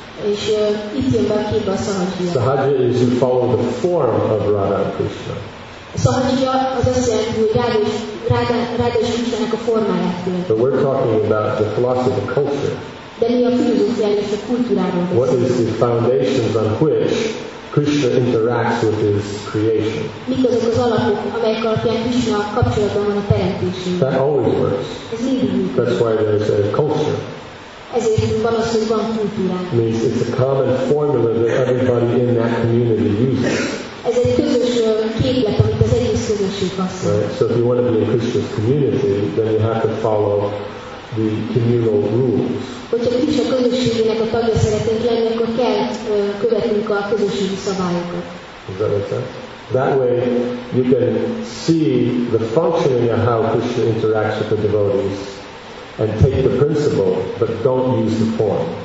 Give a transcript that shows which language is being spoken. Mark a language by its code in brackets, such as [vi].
[hu] És itt jön be a képbe a Sahajya. [en] Sahajya is you follow the form of Radha Krishna. [hu] Sahajya az azt jelenti, hogy Radha és Krishna-nak a formáját. [en] But we're talking about the philosophy of the culture. [hu] De mi a filozófiáról és a kultúráról beszélünk. [en] What is the foundations on which Krishna interacts with his creation. [hu] Mik azok az alapok, amelyek alapján Krishna kapcsolatban van a teremtésével? [en] That always works. [hu] Ez mindig működik. [en] That's why there's a culture. [hu] Ezért van az, hogy van kultúra. [en] Means it's a common formula that everybody in that community uses. [hu] Ez egy közös képlet, amit az egész közösség használ. [en] Right. So if you want to be in Krishna's community, then you have to follow the communal rules. [hu] Hogyha Krishna közösségének a tagja szeretnénk lenni, akkor kell követnünk a közösségi szabályokat. [en] Does that make sense? That way you can see the functioning of how Krishna interacts with the devotees and take the principle, but don't use the form.